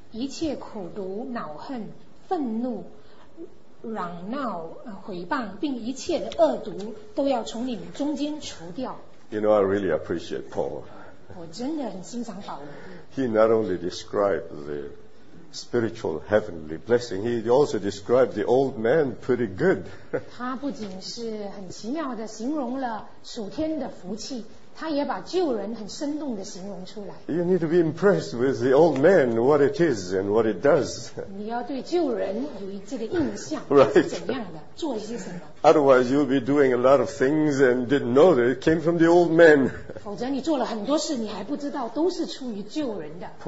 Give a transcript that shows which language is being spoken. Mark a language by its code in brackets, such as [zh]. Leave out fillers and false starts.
[zh] 一切苦毒、恼恨、愤怒、嚷闹、毁谤，并一切的恶毒都要从你们中间除掉。 [en] You know, I really appreciate Paul. [zh] 我真的很欣赏保罗。 [en] He not only described the spiritual heavenly blessing, he also described the old man pretty good. [zh] 他不仅是很奇妙地形容了属天的福气，他也把旧人很生动地形容出来。 [en] You need to be impressed with the old man, what it is and what it does. [zh] 你要对旧人有这个印象，他是怎样的，做一些什么。 [en] Otherwise, you'll be doing a lot of things and didn't know that it came from the old man. [zh] 否则你做了很多事，你还不知道都是出于旧人的。